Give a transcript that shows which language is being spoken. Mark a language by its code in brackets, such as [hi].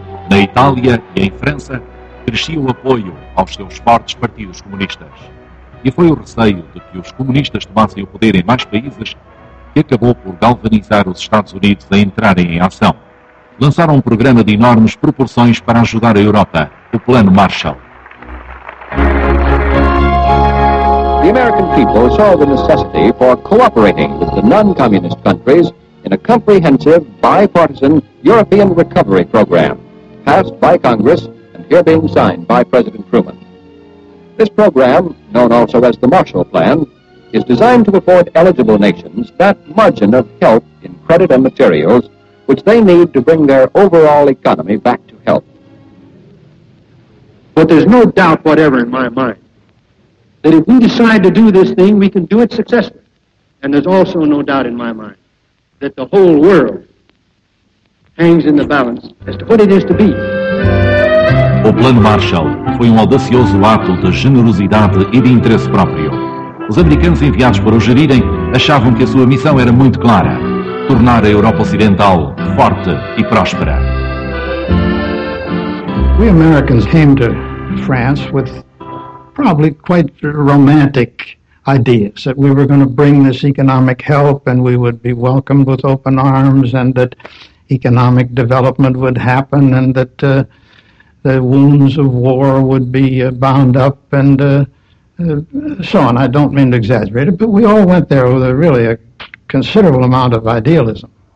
[pt] Na Itália e em França, crescia o apoio aos seus fortes partidos comunistas. E foi o receio de que os comunistas tomassem o poder em mais países que acabou por galvanizar os Estados Unidos a entrarem em ação. Lançaram um programa de enormes proporções para ajudar a Europa, o Plano Marshall. [en] The American people saw the necessity for cooperating with the non-communist countries in a comprehensive, bipartisan European recovery program, passed by Congress and here being signed by President Truman. This program, known also as the Marshall Plan, is designed to afford eligible nations that margin of help in credit and materials which they need to bring their overall economy back to health. But there's no doubt whatever in my mind that if we decide to do this thing, we can do it successfully. And there's also no doubt in my mind that the whole world hangs in the balance as to what it is to be. [pt] O Plano Marshall foi um audacioso ato de generosidade e de interesse próprio. Os americanos enviados para o gerirem achavam que a sua missão era muito clara: tornar a Europa Ocidental forte e próspera. [en] We Americans came to France with probably quite romantic ideas that we were going to bring this economic help and we would be welcomed with open arms and that economic development would happen and that the wounds of war would be bound up and so on. I don't mean to exaggerate it, but we all went there with a considerable amount of idealism.